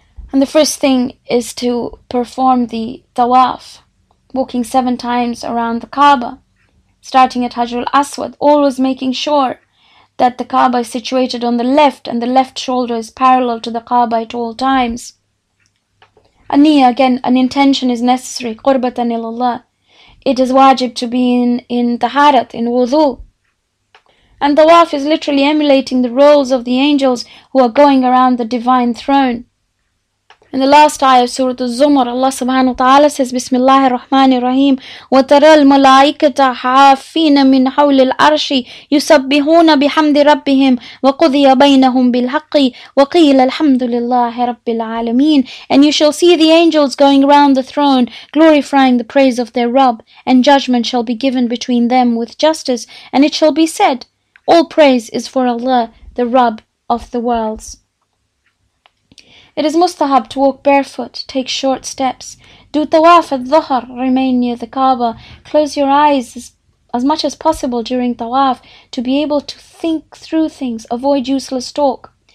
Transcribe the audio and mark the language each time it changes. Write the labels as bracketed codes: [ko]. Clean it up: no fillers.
[en] And the first thing is to perform the tawaf, walking 7 times around the Kaaba, starting at Hajar al-Aswad, always making sure that the Kaaba is situated on the left and the left shoulder is parallel to the Kaaba at all times. A niyyah, again, an intention is necessary, qurbatan ilallah. It is wajib to be in taharat, in wudu. And the tawaf is literally emulating the roles of the angels who are going around the divine throne. In the last ayah of Surah Az-Zumar, Allah subhanahu wa ta'ala says, [ar] Bismillahir Rahmanir Rahim, وَتَرَى الْمَلَائِكَةَ حَافِّينَ مِنْ حَوْلِ الْعَرْشِ يُسَبِّحُونَ بِحَمْدِ رَبِّهِمْ وَقُضِيَ بَيْنَهُمْ بِالْحَقِّ وَقِيلَ الْحَمْدُ لِلَّهِ رَبِّ الْعَالَمِينَ. [en] And you shall see the angels going round the throne, glorifying the praise of their Rabb, and judgment shall be given between them with justice, and it shall be said, all praise is for Allah, the Rabb of the worlds. It is mustahab to walk barefoot, take short steps, do tawaf at dhuhr, remain near the Kaaba, close your eyes as much as possible during tawaf to be able to think through things, avoid useless talk.